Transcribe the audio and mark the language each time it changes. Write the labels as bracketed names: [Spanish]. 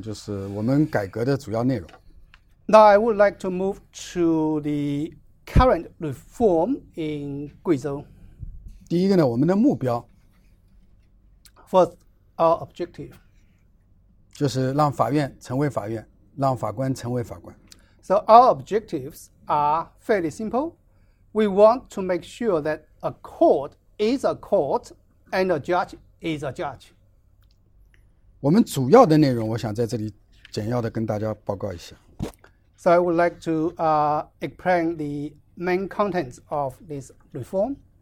[Chinese] 第三呢，我想讲讲就是我们改革的主要内容。 [English] Now I would like to move to the current reform in Guizhou. [Chinese] 第一个呢，我们的目标。 [English] First, our objective. [Chinese] 就是让法院成为法院，让法官成为法官。 [English] So our objectives are fairly simple. We want to make sure that a court is a court, and a judge is a judge. [Chinese] 我们主要的内容，我想在这里简要的跟大家报告一下。 [English] So I would like to explain the main contents of this reform.